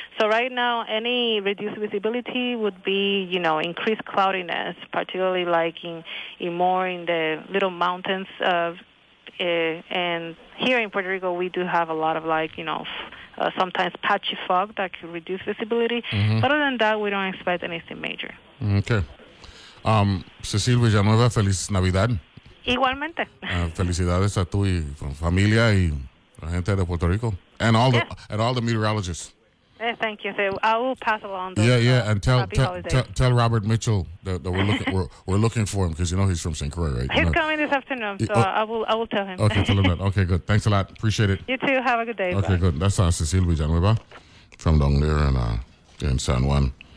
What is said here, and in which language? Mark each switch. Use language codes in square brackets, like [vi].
[en] So right now, any reduced visibility would be, you know, increased cloudiness, particularly like in more in the little mountains of and here in Puerto Rico, we do have a lot of, like, you know, sometimes patchy fog that can reduce visibility. Mm-hmm. Other than that, we don't expect anything major. Okay. Cecil Villanueva, [es] Feliz Navidad. Igualmente. Felicidades a tu y familia y la gente de Puerto Rico. [en] And all the meteorologists. Thank you. So I will pass along those. And tell Robert Mitchell that we're looking for him, because you know he's from St. Croix, right? He's you know. Coming this afternoon, so I will tell him. Okay, tell him that. Okay, good. Thanks a lot. Appreciate it. You too. Have a good day. Okay, bye. Good. That's Cecil Villanueva from down there in San Juan.